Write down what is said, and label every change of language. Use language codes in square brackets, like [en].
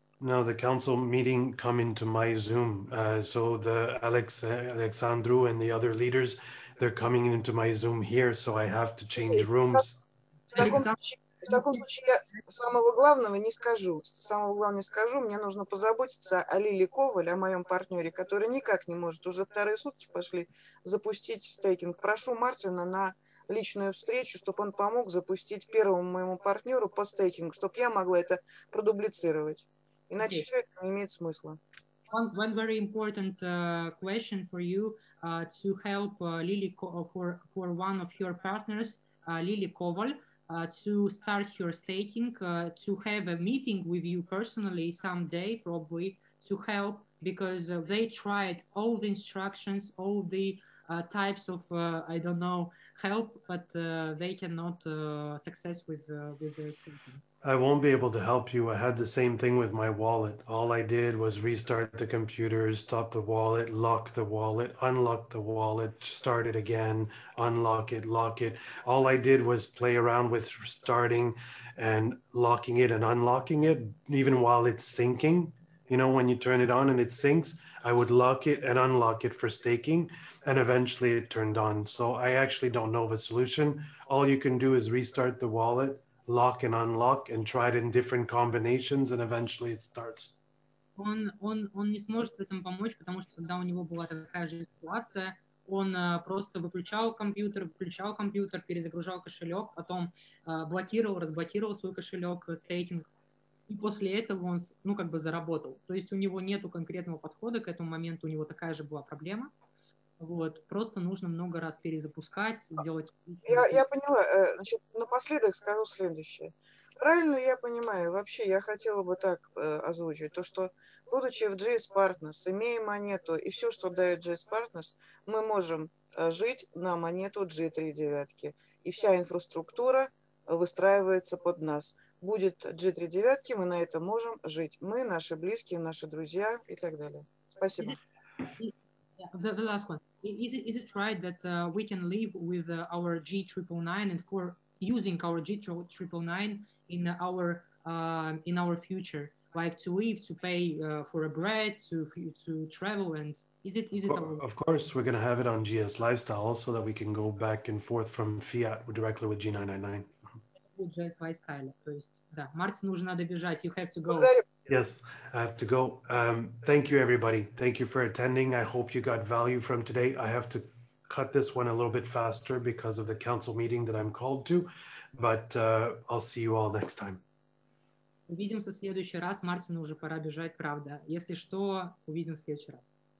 [en] No, the council meeting come into my Zoom. So the Alexandru and the other leaders, they're coming into my Zoom here, so I have to change rooms. [ru] В таком случае я самого главного не скажу. Мне нужно позаботиться о Лиле Коваль, о моем партнере, который никак не может. Уже вторые сутки пошли запустить стейкинг. Прошу Мартина на личную встречу, чтобы он помог запустить первому моему партнеру по стейкингу, чтобы я могла это продублицировать. Иначе все это не имеет смысла. [en] One very important question for you to help Lily for one of your partners, Lily Koval, to start your staking, to have a meeting with you personally someday, probably to help, because they tried all the instructions, all the types of I don't know help, but they cannot success with their staking. I won't be able to help you. I had the same thing with my wallet. All I did was restart the computer, stop the wallet, lock the wallet, unlock the wallet, start it again, unlock it, lock it. All I did was play around with starting and locking it and unlocking it, even while it's syncing. You know, when you turn it on and it syncs, I would lock it and unlock it for staking, and eventually it turned on. So I actually don't know of a solution. All you can do is restart the wallet, lock and unlock, and try it in different combinations, and eventually it starts. [ru] Он не сможет в этом помочь, потому что когда у него была такая же ситуация, он просто выключал компьютер, перезагружал кошелек, потом разблокировал свой кошелек, стейкинг, и после этого он, ну, как бы заработал. То есть у него нету конкретного подхода к этому моменту, у него такая же была проблема. Вот, просто нужно много раз перезапускать, делать... Я поняла. Значит, напоследок скажу следующее. Правильно я понимаю, вообще я хотела бы так озвучить, то, что будучи в GS Partners, имея монету и все, что дает GS Partners, мы можем жить на монету G3-девятки. И вся инфраструктура выстраивается под нас. Будет G3-девятки, мы на этом можем жить. Мы, наши близкие, наши друзья и так далее. Спасибо. [en] Yeah, the last one. Is it right that we can live with our G999 and for using our G999 in our future, like to live, to pay for a bread, to travel, and is it of course we're going to have it on GS Lifestyle so that we can go back and forth from fiat directly with G999. good jazz lifestyle. [ru] То есть, да, Мартину уже надо бежать. [en] You have to go. Yes, I have to go. Thank you, everybody. Thank you for attending. I hope you got value from today. I have to cut this one a little bit faster because of the council meeting that I'm called to, but I'll see you all next time. [ru] Увидимся в следующий раз. Мартину уже пора бежать, правда. Если что, увидимся в следующий раз.